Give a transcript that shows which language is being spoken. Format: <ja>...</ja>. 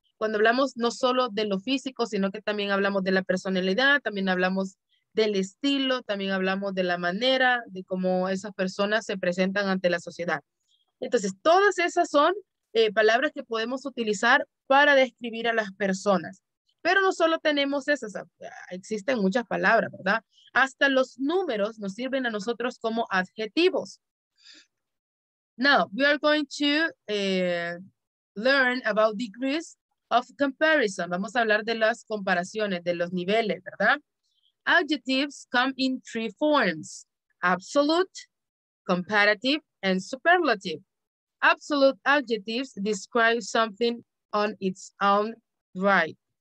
<es>Cuando hablamos no solo de lo físico, sino que también hablamos de la personalidad, también hablamos del estilo, también hablamos de la manera de cómo esas personas se presentan ante la sociedad. Entonces, todas esas son palabras que podemos utilizar para describir a las personas. Pero no solo tenemos esas, existen muchas palabras, ¿verdad? Hasta los números nos sirven a nosotros como adjetivos.</es> <en>Now, we are going to learn about degrees of comparison.</en> <es>Vamos a hablar de las comparaciones, de los niveles, ¿verdad?</es> <en>Adjectives come in three forms. Absolute, comparative, and superlative. Absolute adjectives describe something on its own right.</en>